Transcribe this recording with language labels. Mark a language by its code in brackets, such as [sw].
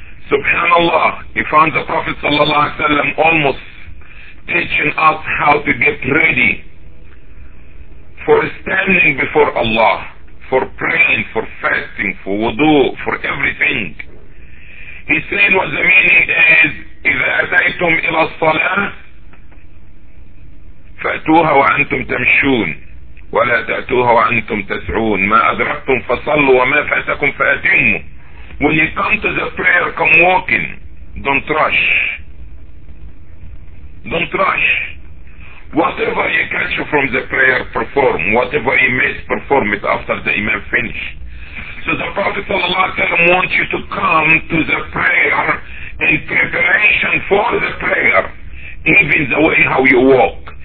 [en] Subhanallah, he found the Prophet sallallahu alaihi wasallam almost teaching us how to get ready for standing before Allah, for praying, for fasting, for wudu, for everything. [ar] He said what the meaning is, إِذَا أَتَيْتُمْ إِلَى الصَّلَاةِ فَأْتُوهَا وَأَنْتُمْ تَمْشُونَ وَلَا تَأْتُوهَا وَأَنْتُمْ تَسْعُونَ مَا أَدْرَكْتُمْ فَصَلُّوا وَمَا فَاتَكُمْ فَأَتِمُّوا. [en] When you come to the prayer, come walking. Don't rush. Don't rush. Whatever you catch from the prayer, perform. Whatever you miss, perform it after the imam finish. So the Prophet sallallahu alaihi wasallam wants you to come to the prayer in preparation for the prayer, even the way how you walk.